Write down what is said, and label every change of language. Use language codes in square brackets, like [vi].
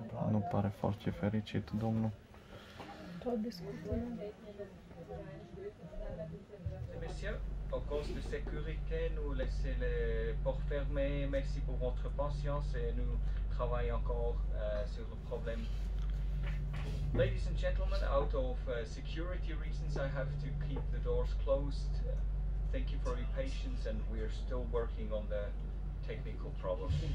[ro] Nu pare foarte fericit, domnul. Tot discutăm. [fr] Messieurs, au cause de sécurité, nous laissons les portes fermées. Merci pour votre patience et nous travaillons encore sur le problème. [en] Ladies and gentlemen, out of security reasons, I have to keep the doors closed. Thank you for your patience and we are still working on the technical problem.